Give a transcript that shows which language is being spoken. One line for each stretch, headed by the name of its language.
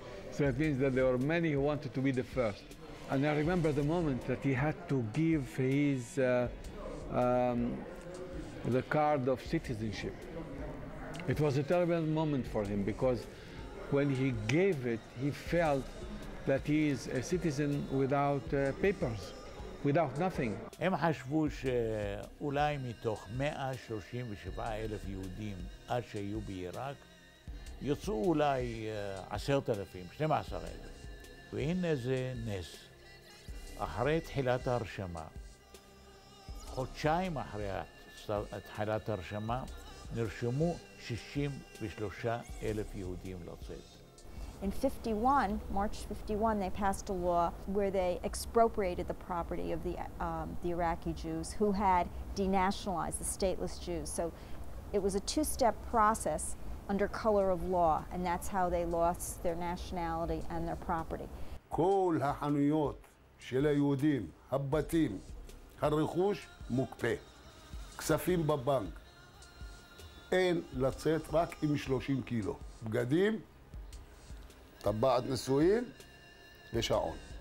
English: So it means that there were many who wanted to be the first. And I remember the moment that he had to give his the card of citizenship. It was a terrible moment for him, because when he gave it, he felt that he is a citizen without papers. Without nothing.
Hebrew: הם חשבו שאולי מתוך 137,000 יהודים עד שהיו בעיראק יוצאו אולי 10,000, 12,000. והנה זה נס. אחרי תחילת ההרשמה, חודשיים אחרי תחילת ההרשמה, נרשמו 63,000 יהודים לצאת.
English: In 51, March 51, they passed a law where they expropriated the property of the Iraqi Jews who had denationalized, the stateless Jews. So it was a two-step process under color of law, and that's how they lost their nationality and their property.
Hebrew: כל החנויות של היהודים, הבתים, הרכוש מוקפא. כספים בבנק. אין לצאת רק עם 30 קילו. בגדים, טבעת נשואים ושעון.